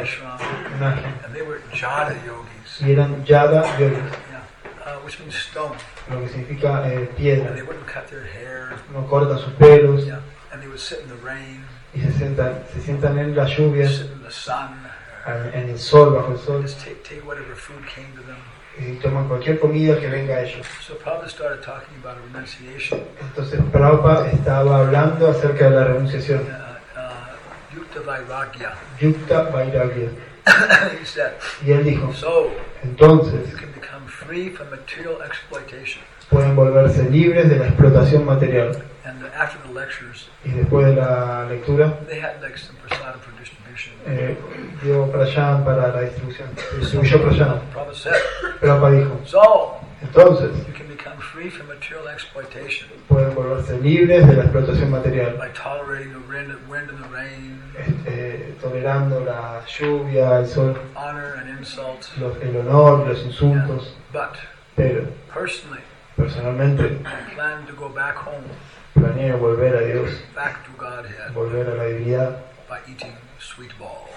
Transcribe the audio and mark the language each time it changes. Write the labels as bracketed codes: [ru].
[en] Ashram, and they were jada yogis. [es] Y eran jada yogis. [en] Which means stone. [es] Lo que significa piedra. [en] And they wouldn't cut their hair. [es] No cortan sus pelos. [en] Yeah. And they would sit in the rain. [es] Y se sientan en la lluvia. [en] Sit in the sun. [es] en el sol, bajo el sol. [en] Just take whatever food came to them. [es] Y toman cualquier comida que venga a ellos. [en] So Prabhupada started talking about a renunciation. [es] Entonces Prabhupada estaba hablando acerca de la renunciación. [sa] Yukta Vairagya. Yukta Vairagya. [en] He said, [es] y él dijo, [en] so, [es] entonces, [en] you can become free from material exploitation. [es] Pueden volverse libres de la explotación material. [en] And the, after the lectures, [es] y después de la lectura, [en] they had like some prasad for distribution. [es] Dio prasad para la distribución. Distribuyó prasad. Prabhupada dijo, [en] so, [es] entonces, [en] you can become free from material exploitation. [es] Pueden volverse libres de la explotación material. [en] By tolerating the wind and the rain. [es] Tolerando la lluvia, el sol, [en] honor and insult, [es] el honor, los insultos, [en] yeah. But, [es] pero personalmente [en] plan to go back home, [es] planeo volver a Dios, [en] back to Godhead, [es] volver a la divinidad [en] by eating sweet ball.